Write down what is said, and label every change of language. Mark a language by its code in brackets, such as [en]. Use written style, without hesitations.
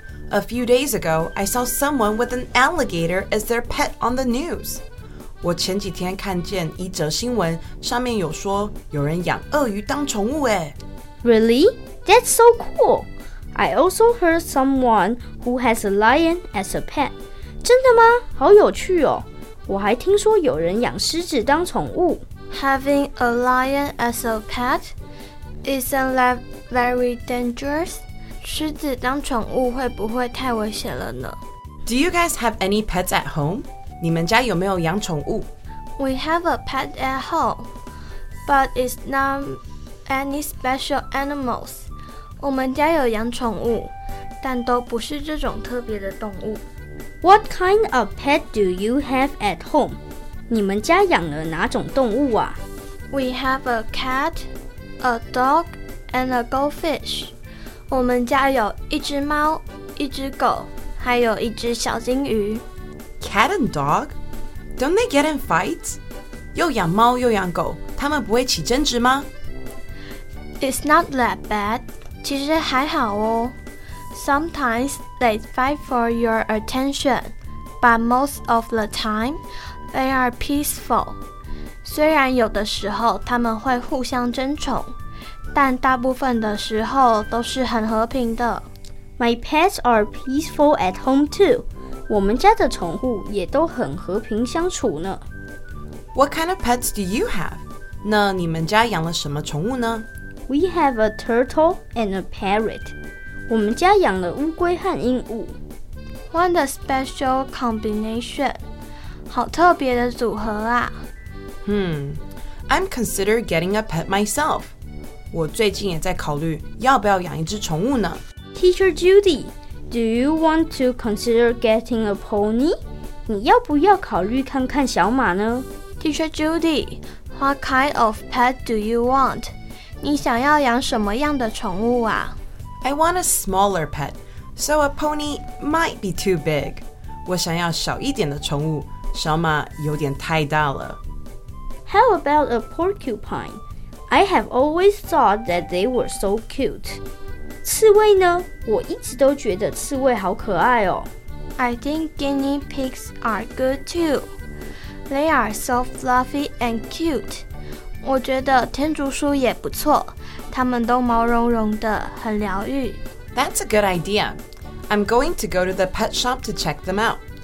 [en] A few days ago, I saw someone with an alligator as their pet on the news. [zh] 我前几天看见一则新闻，上面有说有人养鳄鱼当宠物诶。 [en] Really? That's so cool. I also heard someone who has a lion as a pet. [zh] 真的吗？好有趣哦。我还听说有人养狮子当宠物。 [en] Having a lion as a pet isn't that very dangerous? [zh] 狮子当宠物会不会太危险了呢？ [en] Do you guys have any pets at home? [zh] 你们家有没有养宠物？ [en] We have a pet at home, but it's not any special animals. [zh] 我们家有养宠物，但都不是这种特别的动物。 [en] What kind of pet do you have at home? [zh] 你们家养了哪种动物啊？ [en] We have a cat, a dog, and a goldfish. [zh] 我们家有一只猫，一只狗，还有一只小金鱼。 [en] Cat and dog? Don't they get in fights? [zh] 又养猫又养狗，他们不会起争执吗？ [en] It's not that bad. [zh] 其实还好哦。 [en] Sometimes they fight for your attention, but most of the time, they are peaceful. [zh] 虽然有的时候他们会互相争宠，但大部分的时候都是很和平的。 [en] My pets are peaceful at home too. [zh] 我们家的宠物也都很和平相处呢。 [en] What kind of pets do you have? [zh] 那你们家养了什么宠物呢？ [en] We have a turtle and a parrot. [zh] 我们家养了乌龟和鹦鹉。 [en] What a special combination. [zh] 好特别的组合啊。 [en] I'm considering getting a pet myself. [zh] 我最近也在考虑要不要养一只宠物呢。 [en] Teacher Judy, do you want to consider getting a pony? [zh] 你要不要考虑看看小马呢？ [en] Teacher Judy, what kind of pet do you want? [zh] 你想要养什么样的宠物啊？ [en] I want a smaller pet, so a pony might be too big. [zh] 我想要小一点的宠物，小马有点太大了。 [en] How about a porcupine? I have always thought that they were so cute. [zh] 刺猬呢？我一直都觉得刺猬好可爱哦。 [en] I think guinea pigs are good too. They are so fluffy and cute. [zh] 我觉得天竺鼠也不错。他们都毛茸茸的，很疗愈。 [en] That's a good idea. I'm going to go to the pet shop to check them out.